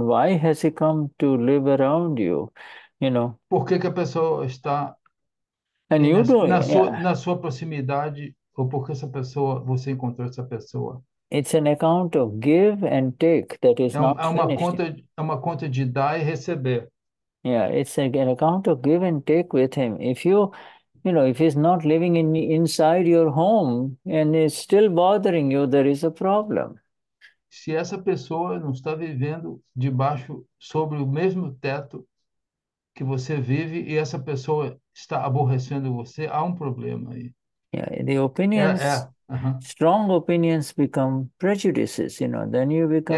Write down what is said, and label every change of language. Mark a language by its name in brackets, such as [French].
[English] Why has he come to live around you? [Portuguese] Por que que a pessoa está [English] And you doing? [Portuguese] na sua proximidade, ou por que essa pessoa, você encontrou essa pessoa? [English] It's an account of give and take that is not finished. [Portuguese] É uma conta de dar e receber. [English] It's an account of give and take with him. If if he's not living inside your home and is still bothering you, there is a problem. [Portuguese] Se essa pessoa não está vivendo debaixo, sobre o mesmo teto que você vive e essa pessoa está aborrecendo você, há um problema aí. [English] The opinions, strong opinions become prejudices, then you become.